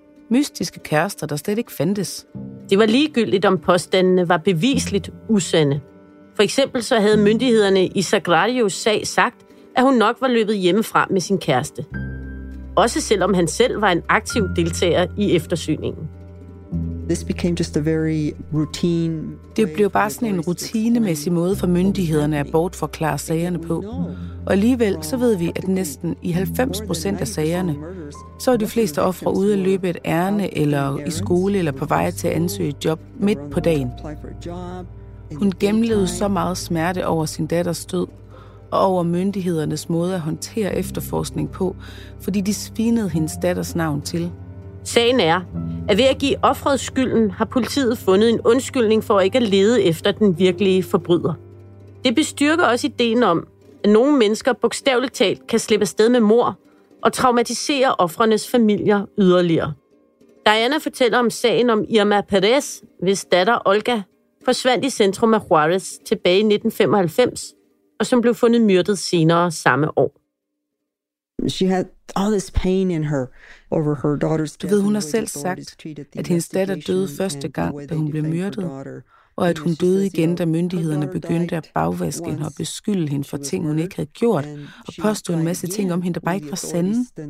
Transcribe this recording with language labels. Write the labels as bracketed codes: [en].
[da] Mystiske kærester, der slet ikke fandtes. Det var ligegyldigt, om påstandene var bevisligt usande. For eksempel så havde myndighederne i Sagrarios sag sagt, at hun nok var løbet hjemmefra med sin kæreste. Også selvom han selv var en aktiv deltager i eftersøgningen. [en] This became just a very routine. [da] Det blev bare sådan en rutinemæssig måde for myndighederne at bortforklare sagerne på. Og alligevel så ved vi, at næsten i 90% af sagerne, så er de fleste ofre ude at løbe et ærne eller i skole eller på vej til at ansøge et job midt på dagen. Hun gennemlevede så meget smerte over sin datters død og over myndighedernes måde at håndtere efterforskning på, fordi de svinede hendes datters navn til. Sagen er, at ved at give offeret skylden, har politiet fundet en undskyldning for ikke at lede efter den virkelige forbryder. Det bestyrker også ideen om, at nogle mennesker bogstaveligt talt kan slippe afsted med mord og traumatisere ofrenes familier yderligere. Diana fortæller om sagen om Irma Perez, hvis datter Olga forsvandt i centrum af Juarez tilbage i 1995, og som blev fundet myrdet senere samme år. [en] She had all this pain in her over her daughter's death. [da] Du ved, hun har selv sagt, at hendes datter døde første gang, da hun blev myrdet, og at hun døde igen, da myndighederne begyndte at bagvaske hende og beskylde hende for ting, hun ikke havde gjort, og påstod en masse ting om hende, der bare ikke var sande.